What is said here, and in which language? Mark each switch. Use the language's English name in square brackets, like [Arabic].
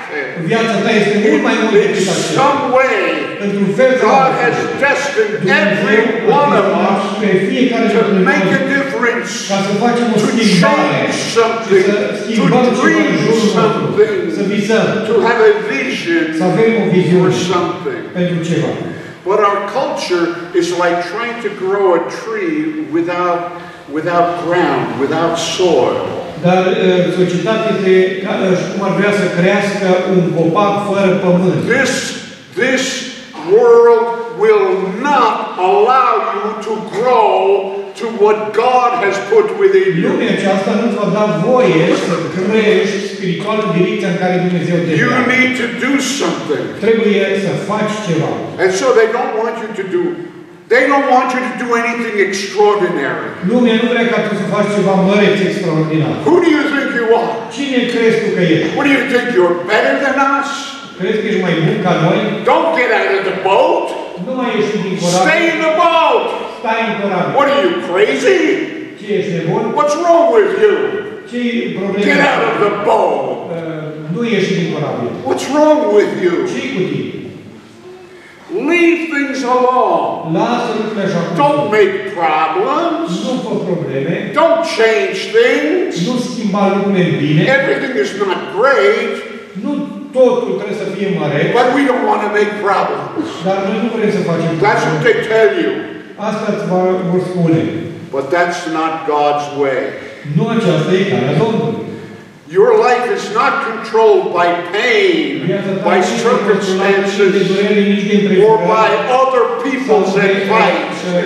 [English] In some way, God has destined every one of us to make a difference, to change something, to dream something, to have a vision for something. But our culture is like trying to grow a tree without ground, without soil. [Romanian] Dar societatea cum ar vrea să crească un copac fără pământ. [English] This world will not allow you to grow to what God has put within you. [Romanian] Lumea aceasta nu va da voie să crești spiritual în direcția în care Dumnezeu te-a. [English] You need to do something. [Romanian] Trebuie să faci ceva. [English] And so they don't want you to do. They don't want you to do anything extraordinary. [Romanian] Lumea nu vrea ca tu să faci ceva mare și extraordinar. [English] Who do you think you are? [Romanian] Cine crezi tu că ești? [English] What do you think, you're better than us? [Romanian] Crezi că ești mai bun ca noi? [English] Don't get out of the boat. [Romanian] Nu mai ieși din corabie. [English] Stay in the boat. [Romanian] Stai în corabie. [English] What are you, crazy? [Romanian] Ce ești nebun? [English] What's wrong with you? [Romanian] Ce e problema? [English] Get out of the boat. [Romanian] Nu ieși din corabie. [English] What's wrong with you? [Romanian] Ce e cu tine? [English] Leave things alone. Don't make problems. [Romanian] Nu fă probleme. [English] Don't change things. [Romanian] Nu schimba lumea bine. [English] Everything is not great. [Romanian] Nu totul trebuie să fie mare. [English] But we don't want to make problems. [Romanian] Dar noi nu vrem să facem probleme. [English] That's what they tell you. [Romanian] Asta îți vor spune. [English] But that's not God's way. [Romanian] Nu aceasta e calea Domnului. [English] Your life is not controlled by pain, by circumstances, or by other people's advice.